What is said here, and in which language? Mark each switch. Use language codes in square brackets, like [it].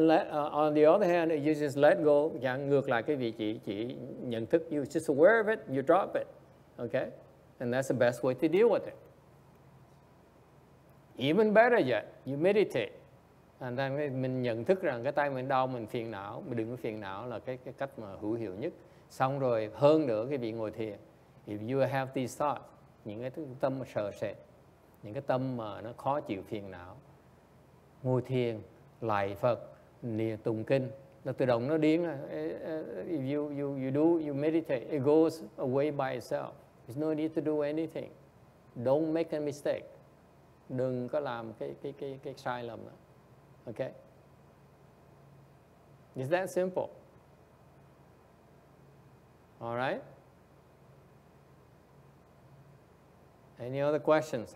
[en] On the other hand, you just let go. [vi] Giảng ngược lại cái vị trí chỉ nhận thức. [en] You just aware of it. You drop it. Okay. And that's the best way to deal with it. Even better yet, you meditate. And then [vi] mình nhận thức rằng cái tay mình đau, mình phiền não, mình đừng có phiền não là cái cách mà hữu hiệu nhất. Xong rồi hơn nữa cái vị ngồi thiền. [en] If you have these thoughts, [vi] những cái tâm sợ sệt, những cái tâm mà nó khó chịu phiền não, ngồi thiền, lạy Phật, niệm tụng kinh, nó tự động nó điên. [en] If you meditate, it goes away by itself. There's no need to do anything. Don't make a mistake. [vi] Đừng có làm cái sai lầm nữa. [en] Okay. Is that simple? All right. Any other questions?